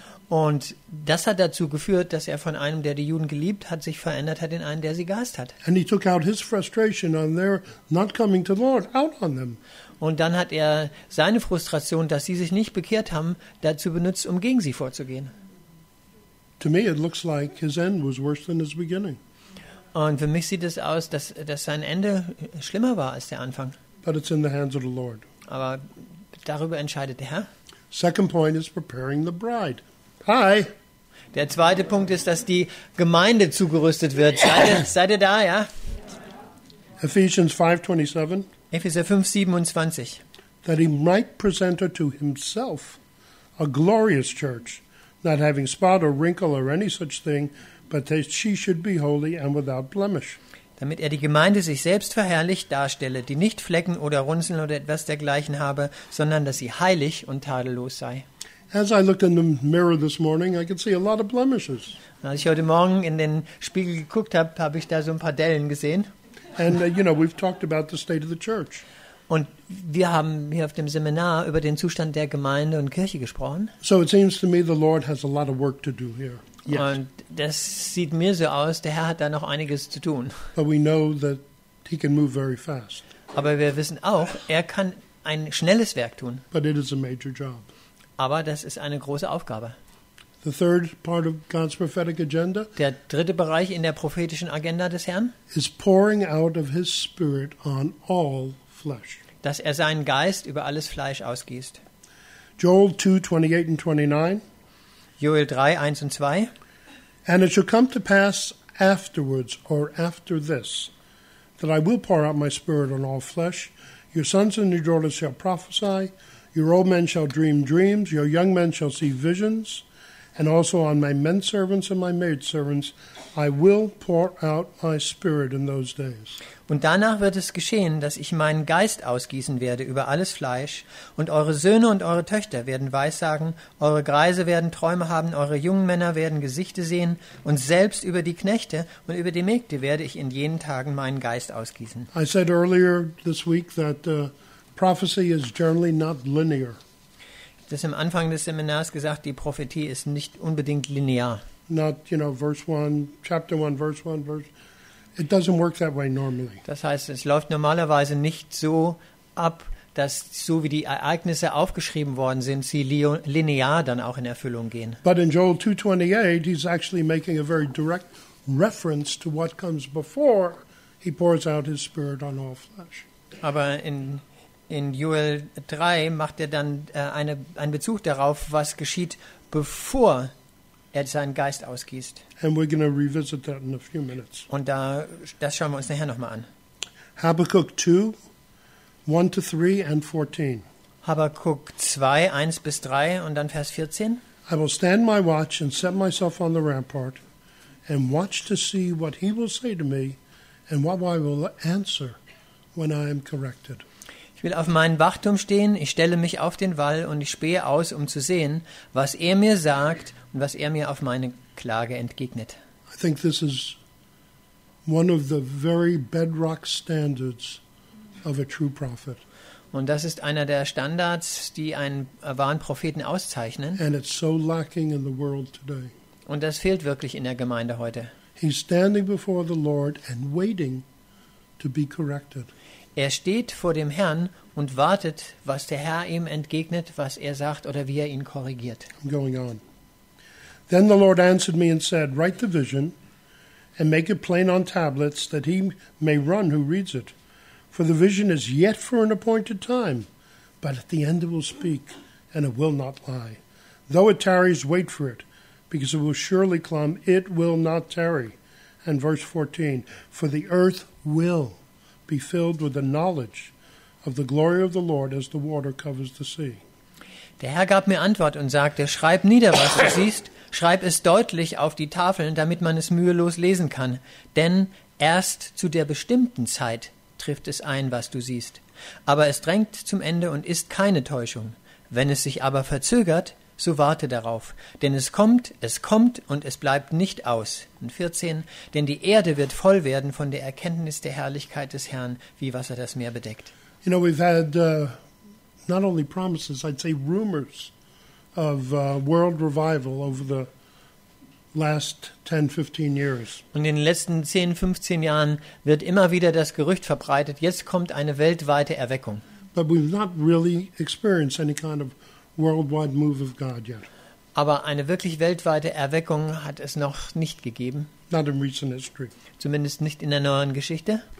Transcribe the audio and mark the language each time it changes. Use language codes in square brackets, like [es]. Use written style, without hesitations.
[de] Und das hat dazu geführt, dass er von einem, der die Juden geliebt hat, sich verändert hat in einen, der sie gehasst hat. [en] And he took out his frustration on their not coming to the Lord out on them. [de] Und dann hat er seine Frustration, dass sie sich nicht bekehrt haben, dazu benutzt, um gegen sie vorzugehen. [en] To me it looks like his end was worse than his beginning. [de] Und für mich sieht es aus, dass sein Ende schlimmer war als der Anfang. [en] But it's in the hands of the Lord. [de] Aber darüber entscheidet der Herr. [en] Second point is preparing the bride. Hi. [de] Der zweite Punkt ist, dass die Gemeinde zugerüstet wird. Seid ihr da, ja? [en] Ephesians 5:27. That he might present her to himself a glorious church, not having spot or wrinkle or any such thing, but that she should be holy and without blemish. [de] Damit er die Gemeinde sich selbst verherrlicht darstelle, die nicht Flecken oder Runzeln oder etwas dergleichen habe, sondern dass sie heilig und tadellos sei. [en] As I looked in the mirror this morning, I could see a lot of blemishes. [de] Als ich heute Morgen in den Spiegel geguckt habe, habe ich da so ein paar Dellen gesehen. [en] And you know, we've talked about the state of the church. [de] Und wir haben hier auf dem Seminar über den Zustand der Gemeinde und Kirche gesprochen. [en] So it seems to me the Lord has a lot of work to do here. Yet. [de] Und das sieht mir so aus, der Herr hat da noch einiges zu tun. [en] But we know that he can move very fast. [de] Aber wir wissen auch, er kann ein schnelles Werk tun. [en] But it is a major job. [de] Aber das ist eine große Aufgabe. [en] The third part of God's prophetic agenda, [de] der dritte Bereich in der prophetischen Agenda des Herrn, [en] is pouring out of his spirit on all flesh. [de] Dass er seinen Geist über alles Fleisch ausgießt. [en] Joel 2:28-29. [de] Joel 3:1-2. [en] And it shall come to pass afterwards, or after this, that I will pour out my spirit on all flesh. Your sons and your daughters shall prophesy. Your old men shall dream dreams, your young men shall see visions, and also on my men servants and my maid servants, I will pour out my spirit in those days. [de] Und danach wird es geschehen, dass ich meinen Geist ausgießen werde über alles Fleisch, und eure Söhne und eure Töchter werden weissagen, eure Greise werden Träume haben, eure jungen Männer werden Gesichte sehen, und selbst über die Knechte und über die Mägde werde ich in jenen Tagen meinen Geist ausgießen. [en] I said earlier this week that prophecy is generally not linear. [de] Das am Anfang des Seminars gesagt, die Prophetie ist nicht unbedingt linear. [en] Not, you know, verse 1, chapter 1, verse 1, verse. It doesn't work that way normally. [de] Das heißt, es läuft normalerweise nicht so ab, dass so wie die Ereignisse aufgeschrieben worden sind, sie linear dann auch in Erfüllung gehen. [en] But in Joel 2:28, he's actually making a very direct reference to what comes before he pours out his spirit on all flesh. [de] Aber in Joel 3 macht er dann einen Bezug darauf, was geschieht, bevor er seinen Geist ausgießt. [en] And we're going to revisit that in a few minutes. [de] Und da, das schauen wir uns nachher nochmal an. [en] Habakkuk 2:1-3 and 14. [de] Habakkuk 2:1-3 und dann Vers 14. [en] I will stand my watch and set myself on the rampart and watch to see what he will say to me and what I will answer when I am corrected. [de] Ich will auf meinen Wachturm stehen, ich stelle mich auf den Wall und ich spähe aus, um zu sehen, was er mir sagt und was er mir auf meine Klage entgegnet. [en] I think this is one of the very bedrock standards of a true prophet. [de] Und das ist einer der Standards, die einen wahren Propheten auszeichnen. [en] And it's so lacking in the world today. [de] Und das fehlt wirklich in der Gemeinde heute. [en] He's standing before the Lord and waiting to be corrected. [de] Er steht vor dem Herrn und wartet, was der Herr ihm entgegnet, was er sagt oder wie er ihn korrigiert. [en] I'm going on. Then the Lord answered me and said, write the vision and make it plain on tablets, that he may run who reads it. For the vision is yet for an appointed time, but at the end it will speak, and it will not lie. Though it tarries, wait for it, because it will surely come, it will not tarry. And verse 14, for the earth will be filled with the knowledge of the glory of the Lord as the water covers the sea. [de] Der Herr gab mir Antwort und sagte, schreib nieder, was du siehst, schreib es deutlich auf die Tafeln, damit man es mühelos lesen kann, denn erst zu der bestimmten Zeit trifft es ein, was du siehst. Aber es drängt zum Ende und ist keine Täuschung. Wenn es sich aber verzögert, so warte darauf, denn es kommt und es bleibt nicht aus. Und 14, denn die Erde wird voll werden von der Erkenntnis der Herrlichkeit des Herrn, wie Wasser das Meer bedeckt. [en] You know, we've had not only promises, I'd say rumors of world revival over the last 10, 15 years. [de] Und in den letzten 10, 15 Jahren wird immer wieder das Gerücht verbreitet, jetzt kommt eine weltweite Erweckung. [en] But we've not really experienced any kind of worldwide move of God yet. [de] Aber eine wirklich weltweite Erweckung hat es noch nicht gegeben. [en] Not in recent history. [de] Zumindest nicht in der neuen Geschichte.